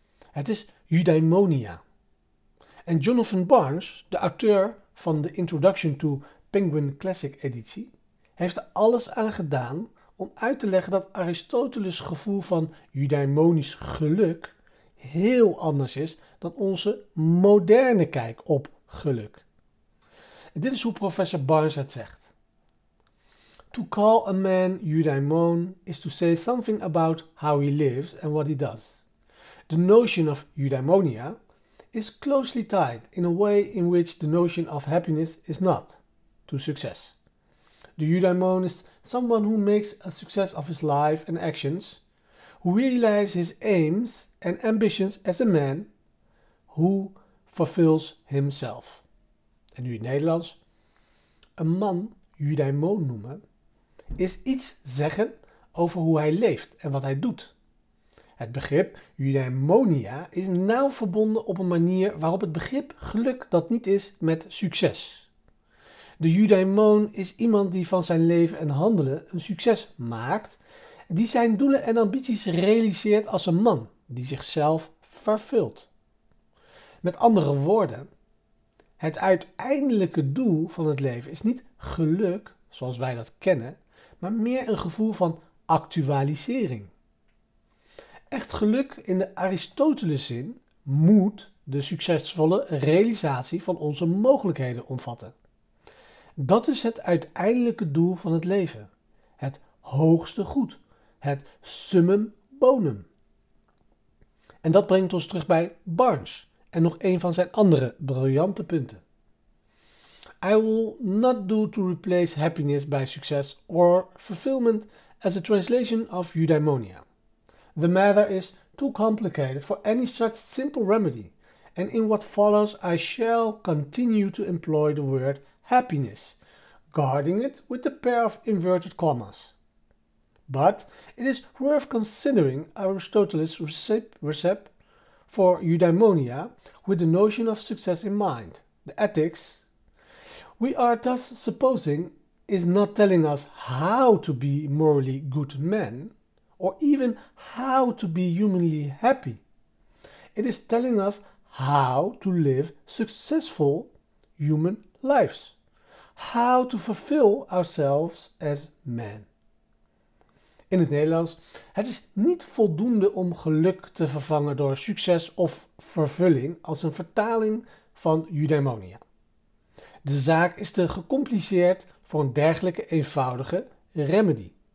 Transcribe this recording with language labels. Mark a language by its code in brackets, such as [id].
[nl] Het is eudaimonia. En Jonathan Barnes, de auteur van de Introduction to Penguin Classic editie, heeft er alles aan gedaan om uit te leggen dat Aristoteles' gevoel van eudaimonisch geluk heel anders is dan onze moderne kijk op geluk. En dit is hoe professor Barnes het zegt. [en] To call a man eudaimon is to say something about how he lives and what he does. The notion of eudaimonia is closely tied in a way in which the notion of happiness is not, to success. The eudaimon is someone who makes a success of his life and actions, who realizes his aims and ambitions as a man, who fulfills himself. [nl] En nu in het Nederlands. Een man eudaimon noemen is iets zeggen over hoe hij leeft en wat hij doet. Het begrip eudaimonia is nauw verbonden op een manier waarop het begrip geluk dat niet is met succes. De eudaimon is iemand die van zijn leven en handelen een succes maakt, die zijn doelen en ambities realiseert als een man die zichzelf vervult. Met andere woorden, het uiteindelijke doel van het leven is niet geluk zoals wij dat kennen, maar meer een gevoel van actualisering. Echt geluk in de Aristoteles-zin moet de succesvolle realisatie van onze mogelijkheden omvatten. Dat is het uiteindelijke doel van het leven. Het hoogste goed. Het summum bonum. En dat brengt ons terug bij Barnes en nog een van zijn andere briljante punten. [en] I will not do to replace happiness by success or fulfillment as a translation of eudaimonia. The matter is too complicated for any such simple remedy, and in what follows I shall continue to employ the word happiness, guarding it with a pair of inverted commas. But it is worth considering Aristoteles' recipe for eudaimonia with the notion of success in mind, the ethics we are thus supposing is not telling us how to be morally good men, or even how to be humanly happy. It is telling us how to live successful human lives, how to fulfill ourselves as men. [nl] In het Nederlands, het is niet voldoende om geluk te vervangen door succes of vervulling als een vertaling van eudaimonia. De zaak is te gecompliceerd voor een dergelijke eenvoudige remedy.